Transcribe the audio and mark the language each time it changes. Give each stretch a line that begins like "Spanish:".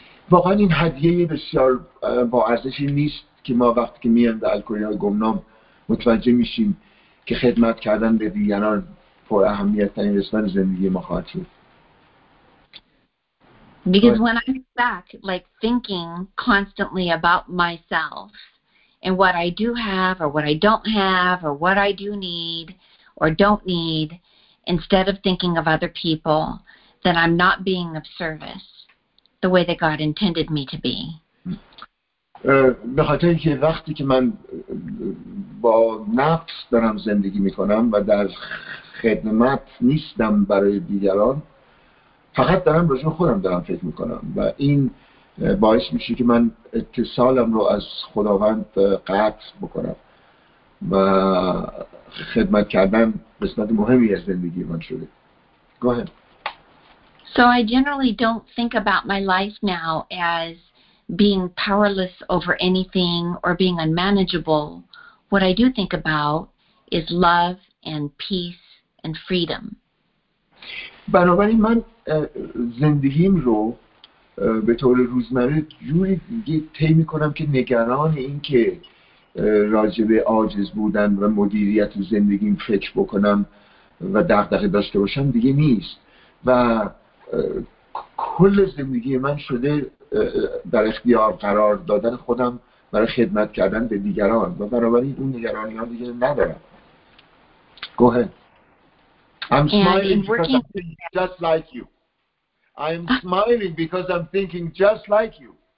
Persian: واقعا این هدیه بسیار با ارزشی نیست که ما وقتی که میایم به الکلیه گمنام متوجه میشیم که خدمت کردن به دیگران پر اهمیت ترین رسمان زندگی ما خواهد شد.
English: Because when I'm back, like thinking constantly about myself and what I do have or what I don't have or what I do need or don't need, instead of thinking of other people, then I'm not being of service the way that God intended me to be.
Persian: به خاطر اینکه وقتی که من با نفس دارم زندگی میکنم و در خدمت نیستم برای دیگران فقط دارم راجع خودم دارم فکر میکنم و این باعث میشه که من اتصالم رو از خداوند قطع بکنم و خدمت کردن قسمت مهمی از زندگی من شده.
English: Go ahead. So I generally don't think about my life now as being powerless over anything or being unmanageable. What I do think about is love and peace and freedom.
Persian: بنابراین من زندگیم رو به طور روزمره جوری دیگه طی میکنم که نگران این که راجع به عاجز بودن و مدیریت زندگیم فکر بکنم و دغدغه داشته باشم دیگه نیست و کل زندگی من شده در اختیار قرار دادن خودم برای خدمت کردن به دیگران و بنابراین اون نگرانی ها دیگه ندارم.
English: Go ahead. I'm smiling because I'm thinking just like you. I'm smiling because I'm thinking just like you.